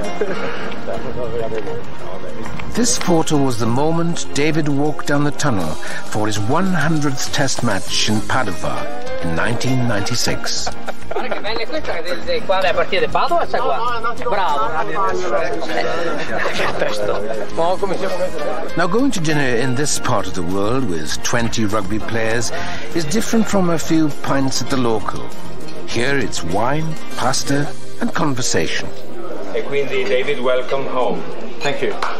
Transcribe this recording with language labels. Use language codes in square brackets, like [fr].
[en] This photo was the moment David walked down the tunnel for his 100th test match in Padova in 1996. [it] Guarda che bella questa, qua è partita qua. Bravo. [en] Now going to dinner in this part of the world with 20 rugby players is different from a few pints at the local. Here it's wine, pasta and conversation. [it] E quindi David, [en] welcome home. Thank you.